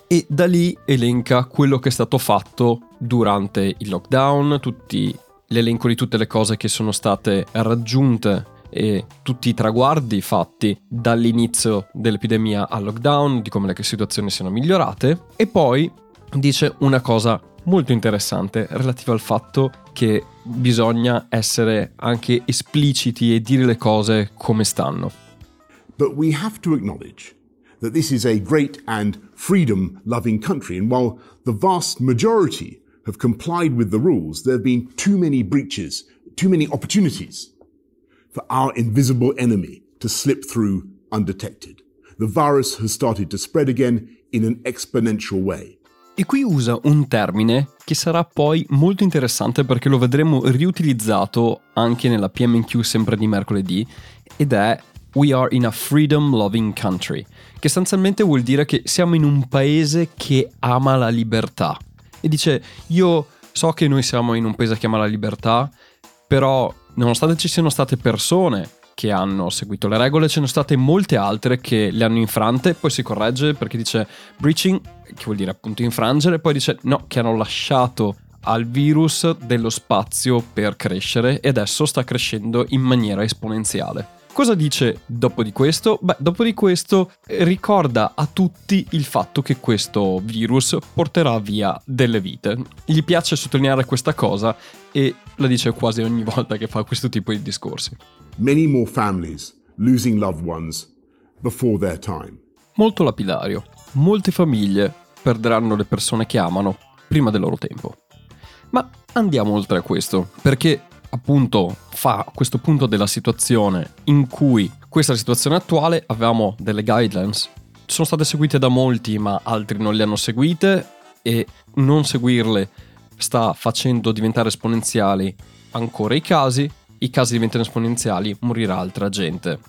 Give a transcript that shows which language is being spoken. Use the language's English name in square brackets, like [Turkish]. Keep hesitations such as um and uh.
[Italian] E da lì elenca quello che è stato fatto durante il lockdown, l'elenco di tutte le cose che sono state raggiunte e tutti i traguardi fatti dall'inizio dell'epidemia al lockdown, di come le situazioni siano migliorate, e poi dice una cosa molto interessante relativa al fatto che bisogna essere anche espliciti e dire le cose come stanno. [English] But we have to acknowledge that this is a great and freedom loving country and while the vast majority have complied with the rules, have too many breaches, too many opportunities for our invisible enemy to slip through undetected. The virus has started to spread again in an exponential way. [Italian] E qui usa un termine che sarà poi molto interessante perché lo vedremo riutilizzato anche nella PMQ sempre di mercoledì ed è [English] We are in a freedom loving country, [Italian] che sostanzialmente vuol dire che siamo in un paese che ama la libertà. E dice io so che noi siamo in un paese che ama la libertà, però nonostante ci siano state persone che hanno seguito le regole, ce ne sono state molte altre che le hanno infrante, poi si corregge perché dice breaching che vuol dire appunto infrangere, poi dice no, che hanno lasciato al virus dello spazio per crescere e adesso sta crescendo in maniera esponenziale. Cosa dice dopo di questo? Beh, dopo di questo ricorda a tutti il fatto che questo virus porterà via delle vite. Gli piace sottolineare questa cosa e la dice quasi ogni volta che fa questo tipo di discorsi. [English] Many more families losing loved ones before their time. [Italian] Molto lapidario. Molte famiglie perderanno le persone che amano prima del loro tempo. Ma andiamo oltre a questo, perché appunto fa questo punto della situazione in cui questa è la situazione attuale avevamo delle guidelines, sono state seguite da molti ma altri non le hanno seguite e non seguirle sta facendo diventare esponenziali ancora i casi, i casi diventano esponenziali, morirà altra gente.